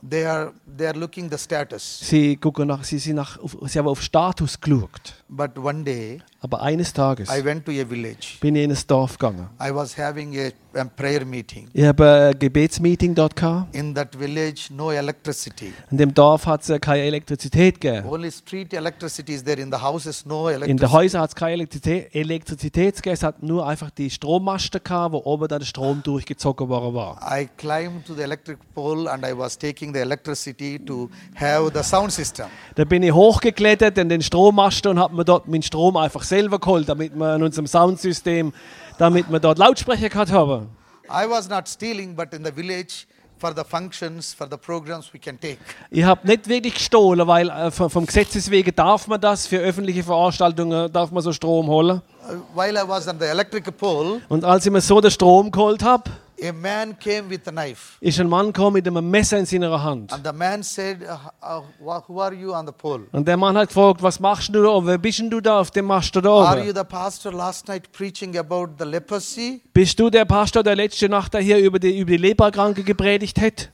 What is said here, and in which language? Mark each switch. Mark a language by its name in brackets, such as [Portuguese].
[English] They are looking the status. [German] Sie haben auf Status geschaut. [English] But one day, [German] aber eines Tages, [English] I went to a village. [German] Bin ich in ein Dorf gegangen. [English] I was having a prayer meeting. [German] Ich habe ein Gebetsmeeting dort gehabt. [English] In that village, no electricity. [German] In dem Dorf hat es keine Elektrizität gegeben. [English] Only street electricity is there. In the houses, no electricity. [German] In den Häusern hat es keine Elektrizität gegeben. Es hat nur einfach die Strommasten gehabt, wo oben dann der Strom durchgezogen worden war. [English] I climbed to the electric pole and I was taking the electricity to have the sound system. [German] Da bin ich hochgeklettert in den Strommasten und habe mir dort meinen Strom einfach selber geholt, damit wir in unserem Soundsystem, damit wir dort Lautsprecher gehabt haben. [English] I was not stealing, but in the village for the functions, for the programs we can take. [German] Ich habe nicht wirklich gestohlen, weil vom Gesetzes wegen darf man das für öffentliche Veranstaltungen, darf man so Strom holen. [English] While I was on the electric pole. [German] Und als ich mir so den Strom geholt habe, [English] a man came with a knife. [German] Ist ein Mann gekommen mit einem Messer in seiner Hand. [English] And the man said, "Who are you on the pole?" [German] Und der Mann hat gefragt, was machst du da? Wer bist du da auf dem Mast da? [English] Are you the pastor last night preaching about the leprosy? [German] Bist du der Pastor, der letzte Nacht da hier über die Leprakranke gepredigt hat?